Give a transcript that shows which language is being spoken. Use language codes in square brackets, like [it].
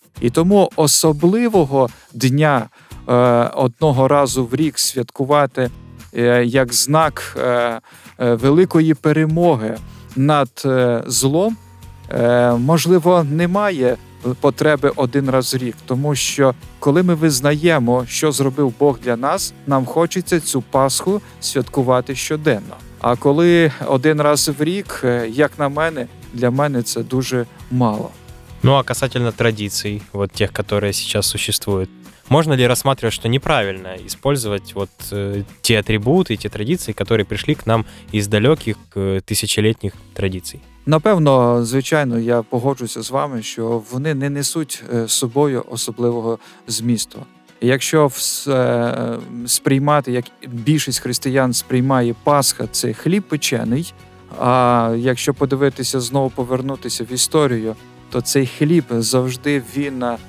[uk] І тому особливого дня одного разу в рік святкувати як знак великої перемоги над злом, можливо, немає потреби один раз в рік. Тому що, коли ми визнаємо, що зробив Бог для нас, нам хочеться цю Пасху святкувати щоденно. А коли один раз в рік, як на мене, для мене це дуже мало. [ru] Ну, а касательно традиций, вот тех, которые сейчас существуют, можно ли рассматривать, что неправильно использовать вот те атрибуты, те традиции, которые пришли к нам из далеких тысячелетних традиций? [uk] Напевно, звичайно, я погоджуся з вами, що вони не несуть собою особливого змісту. Якщо сприймати, як більшість християн сприймає Пасха, це хліб печений, а якщо подивитися, знову повернутися в історію, то цей хліб завжди він